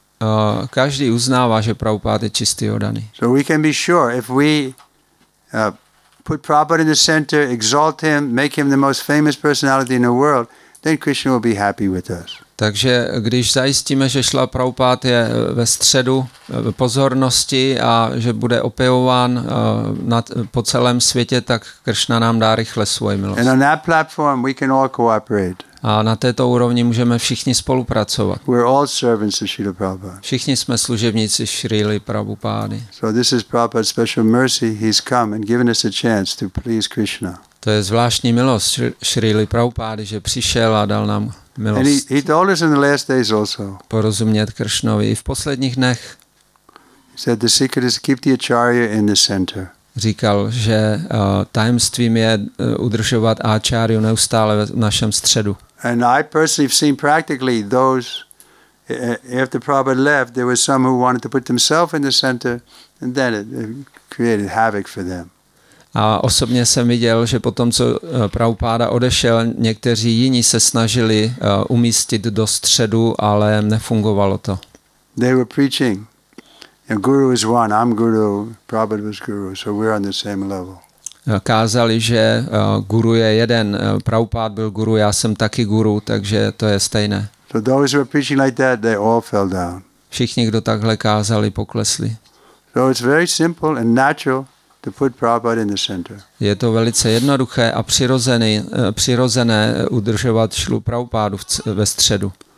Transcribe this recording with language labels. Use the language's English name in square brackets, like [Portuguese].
[Czech] A každý uznává, že Prabhupada je čistý oddaný. [English] So we can be sure if we put Prabhupada in the center, exalt him, make him the most famous personality in the world, then Krishna will be happy with us. [Czech] Takže když zajistíme, že Srila Prabhupada je ve středu pozornosti a že bude opěvován po celém světě, tak Krishna nám dá rychle svoji milost. [English] And on that platform we can all cooperate. [Czech] A na této úrovni můžeme všichni spolupracovat. [English] We're all servants of Srila Prabhupada. [Czech] Všichni jsme služebníci Srily Prabhupády. [English] So this is Prabhupada's special mercy. He's come and given us a chance to please Krishna. [Czech] To je zvláštní milost Srily Prabhupády, že přišel a dal nám milost. [English] And he told us in the last days also. [Czech] Porozumět Kršnovi i v posledních dnech. [English] He said the secret is keep the acharya in the center. [Czech] Říkal, že tajemstvím je udržovat acharyu neustále v našem středu. [English] And I personally have seen practically those after Prabhupada left, there was some who wanted to put themselves in the center, and then it created havoc for them. [Czech] A osobně jsem viděl, že potom, co Prabhupáda odešel, někteří jiní se snažili umístit do středu, ale nefungovalo to. [English] They were preaching. Guru is one. I'm guru. Prabhupada was guru. So we're on the same level. [Czech] Kázali, že guru je jeden. Prabhupád byl guru, já jsem taky guru, takže to je stejné. [English] So those who were preaching like that, they all fell down. [Czech] Všichni, kdo takhle kázali, poklesli. [English] So it's very simple and natural. To put Prabhupada in the center. [Czech] Je to velice jednoduché a přirozené udržovat Šrilu Prabhupádu ve středu.